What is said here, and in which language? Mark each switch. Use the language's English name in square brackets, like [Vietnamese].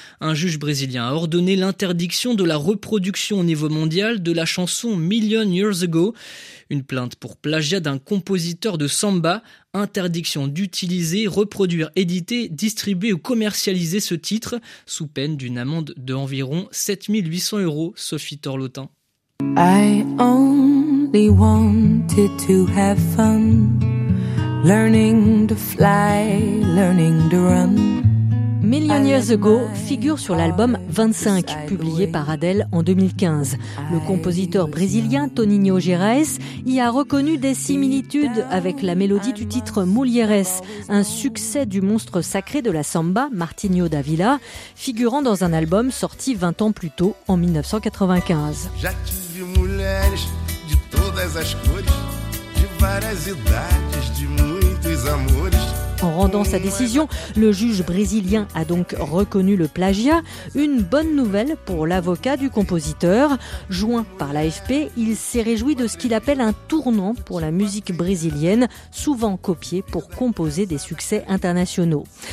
[French] Un juge brésilien a ordonné l'interdiction de la reproduction au niveau mondial de la chanson Million Years Ago. Une plainte pour plagiat d'un compositeur de samba. Interdiction d'utiliser, reproduire, éditer, distribuer ou commercialiser ce titre, sous peine d'une amende d'environ 7 800 euros, Sophie Torlotin. [English] I only wanted to have fun, learning to fly, learning to run. [French] Million Years Ago figure sur l'album 25, publié par Adele en 2015. Le compositeur brésilien Toninho Gerais y a reconnu des similitudes avec la mélodie du titre Mulheres, un succès du monstre sacré de la samba, Martinho da Vila, figurant dans un album sorti 20 ans plus tôt, en 1995. J'ai vu [Portuguese] mulheres de todas as cores, de várias idades, de muitos amores. [French] En rendant sa décision, le juge brésilien a donc reconnu le plagiat. Une bonne nouvelle pour l'avocat du compositeur. Joint par l'AFP, il s'est réjoui de ce qu'il appelle un tournant pour la musique brésilienne, souvent copiée pour composer des succès internationaux.